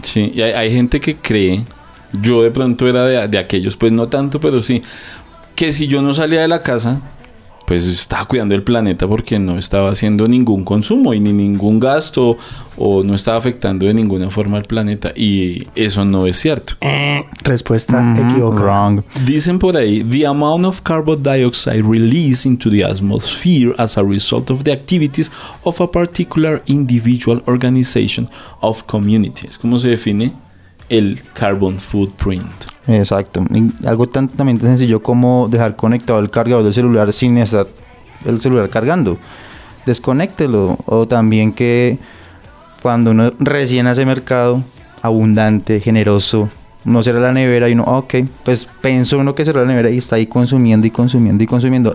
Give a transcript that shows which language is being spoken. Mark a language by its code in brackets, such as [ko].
[es] Sí, y hay gente que cree, yo de pronto era de aquellos, pues no tanto, pero sí, que si yo no salía de la casa... pues estaba cuidando el planeta porque no estaba haciendo ningún consumo y ni ningún gasto o no estaba afectando de ninguna forma al planeta. Y eso no es cierto. Respuesta equivocada. [en] Wrong. [es] Dicen por ahí, [en] the amount of carbon dioxide released into the atmosphere as a result of the activities of a particular individual organization of community. [es] Es como se define el carbon footprint. Exacto, y algo también tan sencillo como dejar conectado el cargador del celular sin estar el celular cargando. desconéctelo. O también que cuando uno recién hace mercado abundante, generoso, uno cierra la nevera y uno, ok, pues pensó uno que cerró la nevera y está ahí consumiendo y consumiendo y consumiendo.